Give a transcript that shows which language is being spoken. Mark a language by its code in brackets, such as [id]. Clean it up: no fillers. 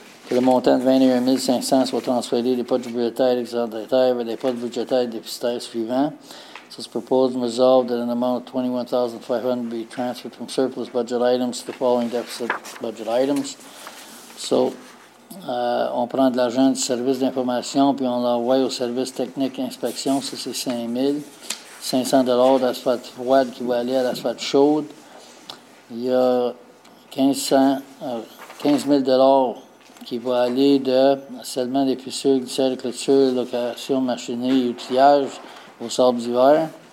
[fr] Que le montant de 21 500 soit transféré des postes budgétaires excédentaires vers des postes budgétaires déficitaires suivants. [en] So it's proposed and resolved that an amount of $21,500 be transferred from surplus budget items to the following deficit budget items. [fr] So, on prend de l'argent du service d'information, puis on l'envoie au service technique inspection, ça c'est 5 000. $500 d'asphalte froide qui va aller à l'asphalte chaude. Il y a 15 000 $ qui va aller de scellement des fissures, glissière de clôture, location, machinerie et outillage au sable d'hiver.